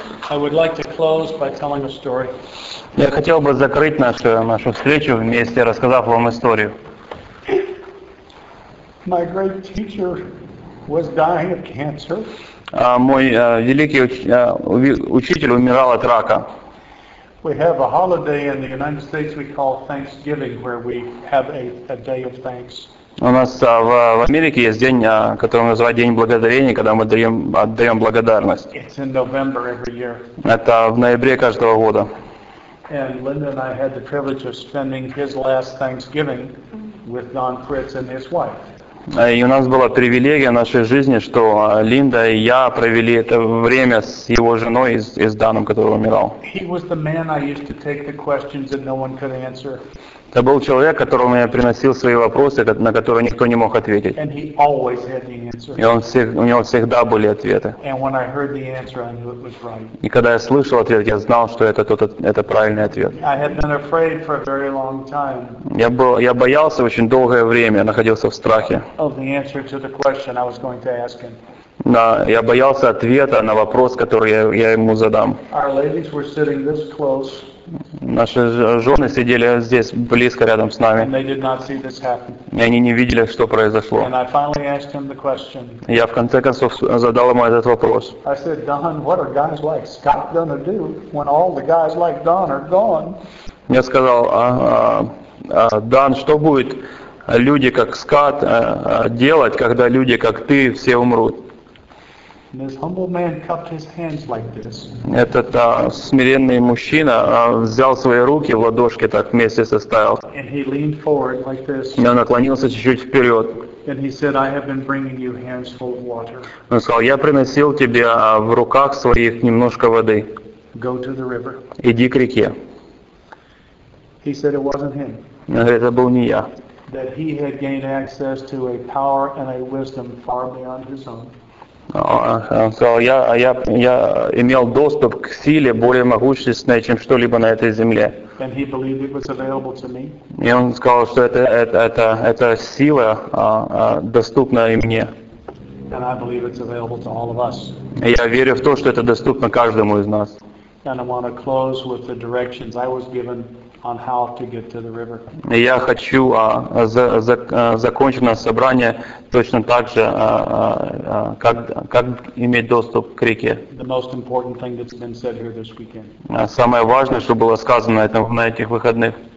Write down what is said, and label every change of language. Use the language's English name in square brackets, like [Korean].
[English] I would like to close by telling a story. [Russian] Я хотел бы закрыть нашу встречу вместе, рассказав вам историю. [English] My great teacher was dying of cancer. [Russian] Мой великий учитель умирал от рака. [English] We have a holiday in the United States we call Thanksgiving, where we have a day of thanks. [Russian] У нас в Америке есть день, который мы называем День Благодарения, когда мы отдаем благодарность. [English] It's in November every year. [Russian] Это в ноябре каждого года. [English] And Linda and I had the privilege of spending his last Thanksgiving with Don Fritz and his wife. [Russian] И у нас была привилегия в нашей жизни, что Линда и я провели это время с его женой и с Даном, который умирал. [English] He was the man I used to take the questions that no one could answer. [Russian] Это был человек, которому я приносил свои вопросы, на которые никто не мог ответить. [English] And he always had the answer. [Russian] И у него всегда были ответы. [English] And when I heard the answer, I knew it was right. [Russian] И когда я слышал ответ, я знал, что это правильный ответ. [English] I had been afraid for a very long time. [Russian] Я боялся очень долгое время, находился в страхе. [English] Of the answer to the question I was going to ask him. [Russian] Я боялся ответа на вопрос, который я ему задам. [English] Our ladies were sitting this close. [Russian] Наши жены сидели здесь близко рядом с нами. [English] And they did not see this happen. [Russian] И они не видели, что произошло. [English] And I finally asked him the question. [Russian] Я в конце концов задал ему этот вопрос. [English] I said, Don, what are guys like Scott gonna do when all the guys like Don are gone? [Russian] Я сказал, Дан, что будет люди как Скотт делать, когда люди как ты все умрут? [English] And this humble man cupped his hands like this. [Russian] Этот смиренный мужчина взял свои руки в ладошки так вместе составил. [English] And he leaned forward like this. [Russian] И он наклонился чуть-чуть вперед. [English] And he said, I have been bringing you hands full of water. [Russian] Он сказал, я приносил тебе в руках своих немножко воды. [English] Go to the river. [Russian] Иди к реке. [English] He said it wasn't him. [Russian] Он говорит, это был не я. [English] That he had gained access to a power and a wisdom far beyond his own. [Russian] Он сказал, я имел доступ к силе более могущественной, чем что-либо на этой земле. [English] And he believed it was available to me. [Russian] И он сказал, что эта сила доступна и мне. [English] And I believe it's available to all of us. [Russian] И я верю в то, что это доступно каждому из нас. [English] And I want to close with the directions I was given on how to get to the river. [Russian] Я хочу закончить наше собрание точно так же, как иметь доступ к реке. [English] The most important thing that's been said here this weekend. [Russian] Самое важное, что было сказано на этих выходных.